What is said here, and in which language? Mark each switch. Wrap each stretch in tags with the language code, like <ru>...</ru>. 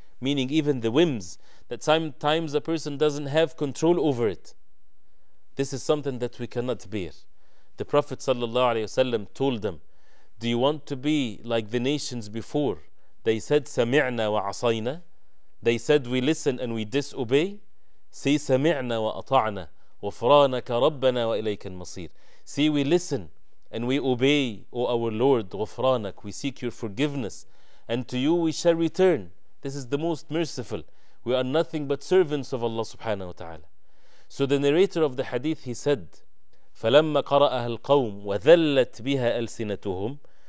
<en>Meaning even the whims, that sometimes a person doesn't have control over it. This is something that we cannot bear. The Prophet ﷺ told them, do you want to be like the nations before? They said,</en> <ar>سَمِعْنَا وَعَصَيْنَا.</ar> <en>They said, we listen and we disobey.</en> <ar>See, سَمِعْنَا وَأَطَعْنَا وَفْرَانَكَ رَبَّنَا وَإِلَيْكَ الْمَصِيرِ.</ar> <en>See, we listen and we obey, O our Lord, Ghufranak, we seek your forgiveness, and to you we shall return. This is the most merciful. We are nothing but servants of Allah subhanahu wa ta'ala. So the narrator of the hadith, he said,</en> <ar>فَلَمَّا قَرَأَهَا الْقَوْمُ وَذَلَّتْ بِهَا أَلْسِنَتُهُمْ.</ar>